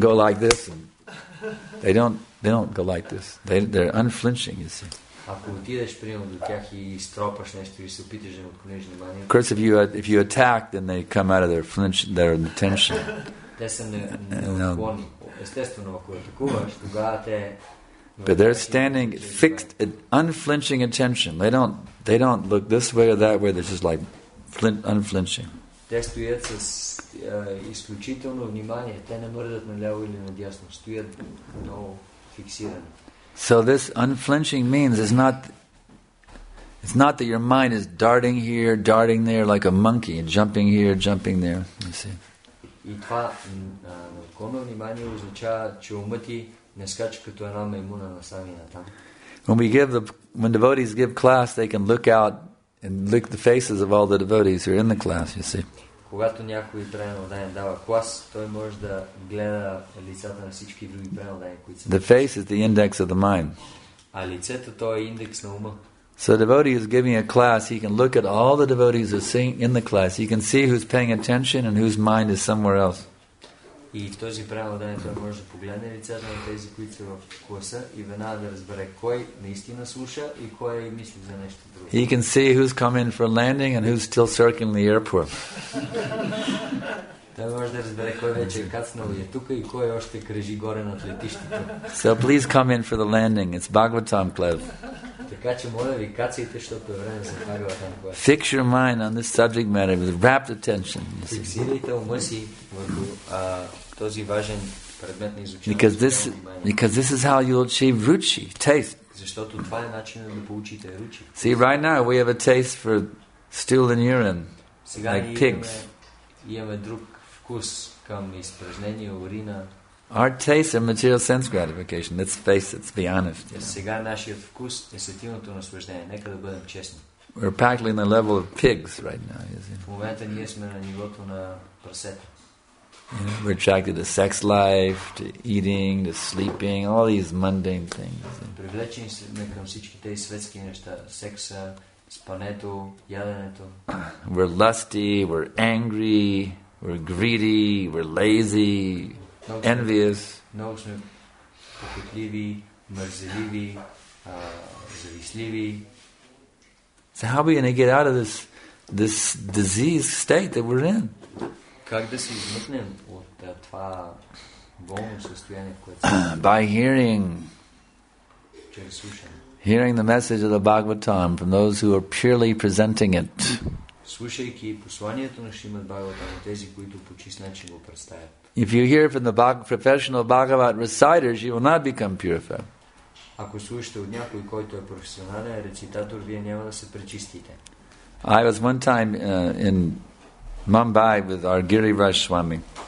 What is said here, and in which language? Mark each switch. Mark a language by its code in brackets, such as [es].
[en] go like this, and they don't go like this. They're unflinching, you see. [bg] Ако отидеш примерно до тях и стропаш нещо и се опиташ да им отклониш внимание. [en] Of course, if you attack, then they come out of their flinch, their attention. [bg] Те са неотклонни. Естествено, ако атакуваш, тогава те. [en] But they're standing fixed, unflinching attention. They don't look this way or that way. They're just like unflinching. [bg] Те стоят с изключително внимание. Те не мърдат наляво или надясно. Стоят много фиксирани. [en] So this unflinching means it's not that your mind is darting here, darting there like a monkey, jumping here, jumping there. You see. [bg] И това неотклонно внимание означава, че умът ти не скача като една маймуна насам и натам. [en] When devotees give class, they can look out and look the faces of all the devotees who are in the class. You see. [bg] Когато някой преналдаен дава клас, той може да гледа лицата на всички други преналдаени, които са. [en] The face is the index of the mind. [bg] А лицето, то е индекс на ума. [en] So a devotee is giving a class, he can look at all the devotees who are in the class. He can see who's paying attention and whose mind is somewhere else. [bg] И този преналдаен, той може да погледне лицата на тези, които са в класа и веднага да разбере кой наистина слуша и кой мисли за нещо друго. [en] He can see who's come in for landing and who's still circling the airport. [bg] Той може да разбере кой вече е кацнал и е тука и кой още кръжи горе на летището. [en] So please come in for the landing. It's Bhagavatam club. [bg] Така че моля ви кацайте, защото е време за Bhagavatam club. [en] Fix your mind on this subject matter with rapt attention. [bg] Фиксирайте ума си върху този важен предмет на изучение. [en] Because this is how you'll achieve ruchi, taste. [bg] Защото това е начинът да получите ruchi. [en] See, right now we have a taste for stool and urine. [bg] Сега [en] like pigs. [bg] Имаме друг вкус към изпражнение, урина. [en] Our tastes are material sense gratification. Let's face it, let's be honest. [bg] Сега нашият вкус е сетивното наслаждение. Нека да бъдем честни. [en] We're practically on the level of pigs right now. [bg] В момента ние сме на нивото на прасета. [en] We're attracted to sex life, to eating, to sleeping, all these mundane things. [bg] Привлечени сме към всички тези светски неща. Секса, спането, яденето. [en] We're lusty, we're angry, we're greedy, we're lazy. Envious. [bg] Много сме похотливи, мързеливи, зависливи. [en] So how are we going to get out of this disease state that we're in? [bg] Как да се измъкнем от това болно състояние, в което [en] By hearing. Hearing the message of the Bhagavatam from those who are purely presenting it. [bg] Слушайки посланието на Шримад Бхагаватам от тези, които по чист начин го представят. [en] If you hear from the professional Bhagavad reciters, you will not become purified. [bg] Ако слушате от някой, който е професионален рецитатор, вие няма да се пречистите. [en] I was one time in Mumbai with our Giriraj Swami.